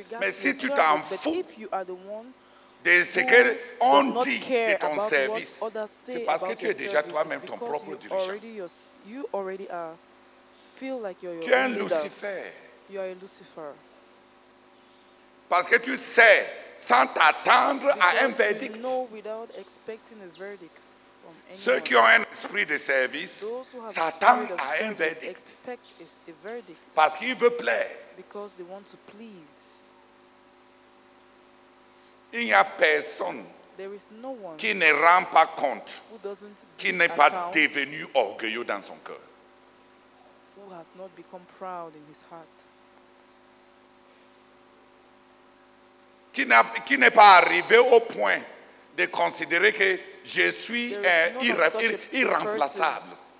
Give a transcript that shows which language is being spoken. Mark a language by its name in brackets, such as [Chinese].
[French] Mais si tu t'en fous de ce qu'on dit de ton service, c'est parce que tu es déjà toi-même ton propre dirigeant. Tu es un Lucifer. [English] You are a Lucifer. [French] Parce que tu sais, sans t'attendre à un verdict. [English] You know, without expecting a verdict from anyone, [French] ceux qui ont un esprit de service s'attendent à un verdict. [English] Expect a verdict. [French] Parce qu'ils veulent plaire. [English] Because they want to please. [French] Il n'y a personne [English] there is no one [French] qui ne rend pas compte, [English] who doesn't [French] qui n'est pas devenu orgueilleux dans son cœur. [English] Who has not become proud in his heart. [French] Qui n'est pas arrivé au point de considérer que je suis irremplaçable.